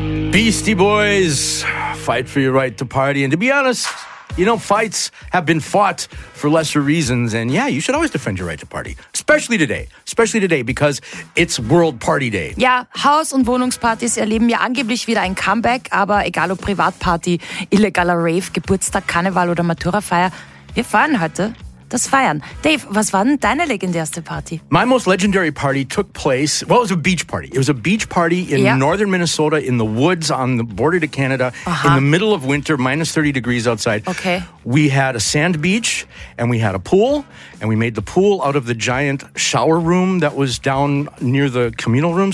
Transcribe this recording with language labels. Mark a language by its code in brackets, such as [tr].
[en] Beastie Boys, Fight for Your Right to Party. And to be honest, you know, fights have been fought for lesser reasons. And yeah, you should always defend your right to party, especially today. Especially today, because it's World Party Day. [de] Ja, Haus- und Wohnungspartys erleben ja angeblich wieder ein Comeback. Aber egal ob Privatparty, illegaler Rave, Geburtstag, Karneval oder Matura-Feier, wir feiern heute das Feiern. Dave, was war denn deine legendärste Party? [en] My most legendary party took place, well, it was a beach party. It was a beach party in northern Minnesota in the woods on the border to Canada in the middle of winter, minus 30 degrees outside. Okay. We had a sand beach and we had a pool and we made the pool out of the giant shower room that was down near the communal room.